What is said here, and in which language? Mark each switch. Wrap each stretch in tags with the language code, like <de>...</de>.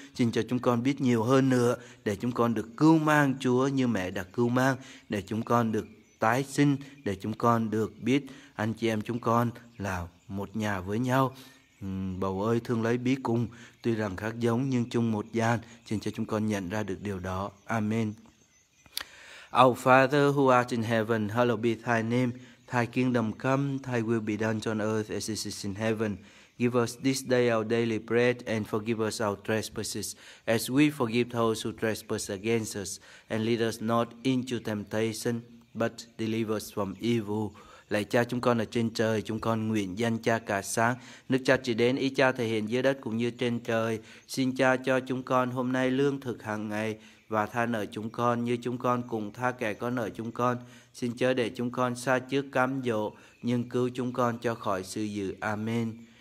<vi>Xin cho chúng con biết nhiều hơn nữa để chúng con được cứu mang Chúa như mẹ đã cứu mang, để chúng con được tái sinh, để chúng con được biết anh chị em chúng con là một nhà với nhau. Bầu ơi thương lấy bí cùng, tuy rằng khác giống nhưng chung một gian. Xin cho chúng con nhận ra được điều đó. Amen.</vi> <en>Our Father who art in heaven, hallowed be thy name. Thy kingdom come, thy will be done on earth as it is in heaven. Give us this day our daily bread, and forgive us our trespasses, as we forgive those who trespass against us. And lead us not into temptation, but deliver us from evil.</en> <vi>Lạy Cha chúng con ở trên trời, chúng con nguyện danh Cha cả sáng. Nước Cha chỉ đến, ý Cha thể hiện dưới đất cũng như trên trời. Xin Cha cho chúng con hôm nay lương thực hàng ngày, và tha nợ chúng con như chúng con cùng tha kẻ có nợ chúng con. Xin chớ để chúng con xa trước cám dỗ, nhưng cứu chúng con cho khỏi sự dữ. Amen.</vi>